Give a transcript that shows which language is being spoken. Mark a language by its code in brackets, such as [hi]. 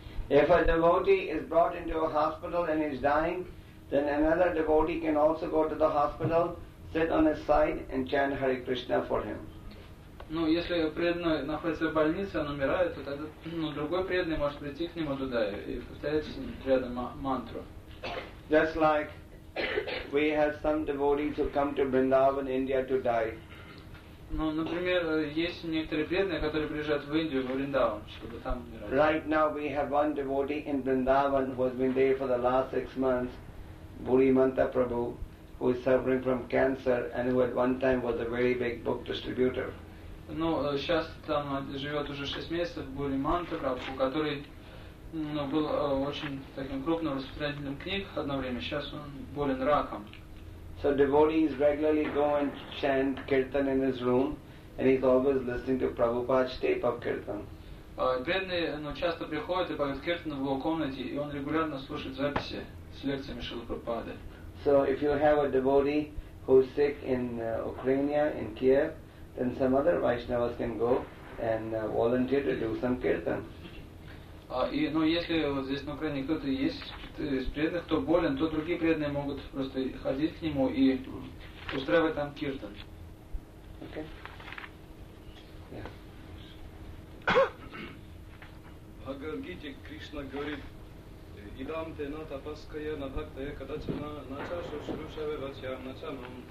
[en] If a devotee is brought into a hospital and is dying, then another devotee can also go to the hospital, sit on his side and chant Hare Krishna for him. [ru] Ну, если преданный находится в больнице, он умирает, то тогда другой преданный может прийти к нему туда и повторять рядом мантру. [en] Just like we have some devotees who come to Vrindavan, India to die. [ru] Ну, например, есть некоторые преданные, которые приезжают в Индию, в Вриндаван, чтобы там умирать. [en] Right now we have one devotee in Vrindavan who has been there for the last 6 months, Burimanta Prabhu, who is suffering from cancer and who at one time was a very big book distributor. [ru] Ну, сейчас там живет уже 6 месяцев Буриманта Прабху, который был очень таким крупным распространителем книг одно время. Сейчас он болен раком. [en] So devotees regularly go and chant kirtan in his room, and he's always listening to Prabhupada's tape of kirtan. [ru] Бедные, но часто приходят и поют киртан в его комнате, и он регулярно слушает записи с лекциями Шрилы Прабхупады. [en] So if you have a devotee who's sick in Ukraine, in Kiev, then some other Vaishnavas can go and volunteer to do some kirtan. [ru] Если вот здесь на Украине кто-то есть из преданных, кто болен, то другие преданные могут просто ходить к нему и устраивать там киртан. [en] Okay. Yeah. [ru] Бхагавад-гите Кришна говорит: [sa] «Идам те на тапаская на бхактая кадачана на чашу шрушаве вача на чанам».